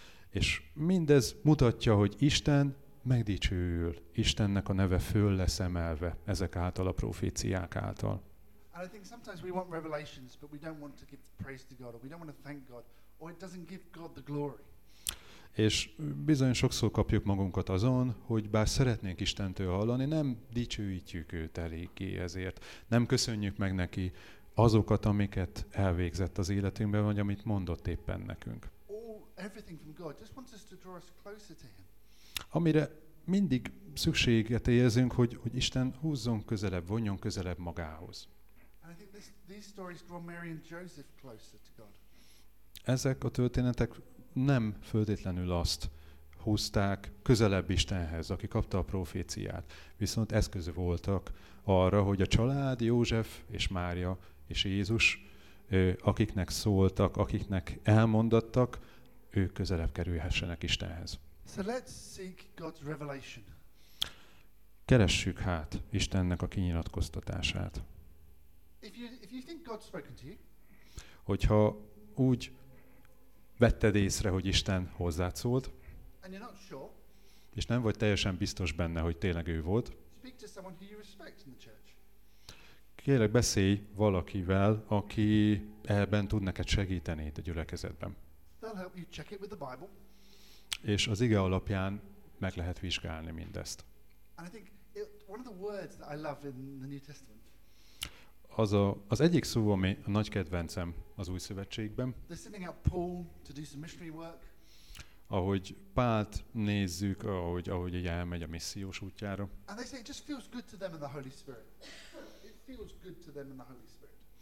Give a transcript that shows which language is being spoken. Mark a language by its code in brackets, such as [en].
[hu] És mindez mutatja, hogy Isten megdicsőül, Istennek a neve föl lesz emelve ezek által, a proféciák által. [en] And I think sometimes we want revelations, but we don't want to give praise to God, or we don't want to thank God, or it doesn't give God the glory. [hu] És bizony sokszor kapjuk magunkat azon, hogy bár szeretnénk Istentől hallani, nem dicsőítjük őt eléggé ezért. Nem köszönjük meg neki azokat, amiket elvégzett az életünkben, vagy amit mondott éppen nekünk. [en] Everything from God just wants us to draw us closer to him. [hu] Amire mindig szükséget érzünk, hogy Isten húzzon közelebb, vonjon közelebb magához. [en] And I think these stories draw Mary and Joseph closer to God. [hu] Ezek a történetek nem föltétlenül azt húzták közelebb Istenhez, aki kapta a proféciát, viszont eszköz voltak arra, hogy a család, József és Mária és Jézus, akiknek szóltak, akiknek elmondattak, ők közelebb kerülhessenek Istenhez. [en] So let's seek God's revelation. [hu] Keressük hát Istennek a kinyilatkoztatását. [en] If you think God's spoken to you, [hu] hogyha úgy vetted észre, hogy Isten hozzád szólt, [en] and you're not sure, [hu] és nem vagy teljesen biztos benne, hogy tényleg ő volt, [en] speak to someone who you respect in the church. [hu] Kérlek, beszélj valakivel, aki ebben tud neked segíteni itt a gyülekezetben. [en] They'll help you check it with the Bible. [hu] És az ige alapján meg lehet vizsgálni mindezt. [en] And I think one of the words that I love in the New Testament. [hu] Az egyik szó, ami a nagy kedvencem az Új Szövetségben. [en] They're sending out Paul to do some missionary work. [hu] Ahogy Pált nézzük, ahogy így elmegy a missziós útjára. [en] And they say it just feels good to them in the Holy Spirit. It feels good to them in the Holy Spirit.